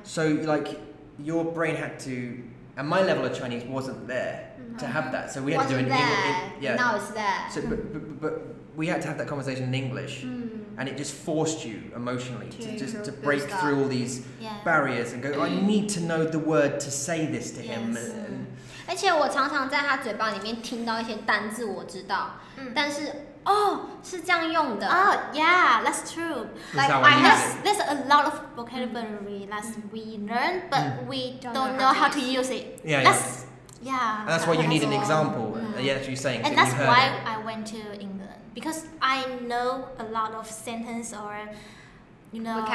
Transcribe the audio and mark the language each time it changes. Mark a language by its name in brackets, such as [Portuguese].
[English] So like, your brain had to, and my level of Chinese wasn't there to have that, so we had wasn't to do it in English. Yeah. Now it's there. So, but we had to have that conversation in English, and it just forced you emotionally to break stuff. Through all these barriers and go, I need to know the word to say this to him. Yes. [Chinese] 而且我常常在他嘴巴里面听到一些单字我知道，但是是这样用的。 [English] Oh, yeah, that's true. Like, there's a lot of vocabulary that we learn, but we don't know how to use it. Yeah, And that's why you need an example. Yes, you're saying. And that's why I went to England. Because I know a lot of sentence or, you know,